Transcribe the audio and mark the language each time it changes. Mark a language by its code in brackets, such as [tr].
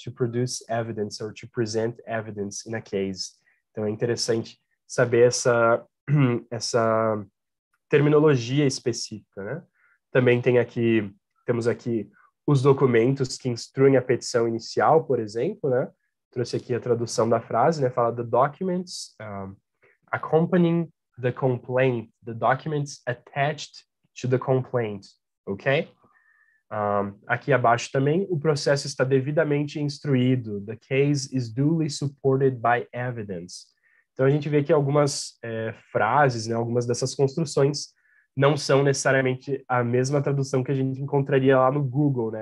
[en] To produce evidence or to present evidence in a case. [pt] Então é interessante saber essa terminologia específica, né? Também temos aqui os documentos que instruem a petição inicial, por exemplo, né? Trouxe aqui a tradução da frase, né? Fala [en] the documents accompanying the complaint, the documents attached to the complaint, ok? [pt] Aqui abaixo também, o processo está devidamente instruído. [en] The case is duly supported by evidence. [pt] Então a gente vê que algumas frases, né? Algumas dessas construções não são necessariamente a mesma tradução que a gente encontraria lá no Google, né?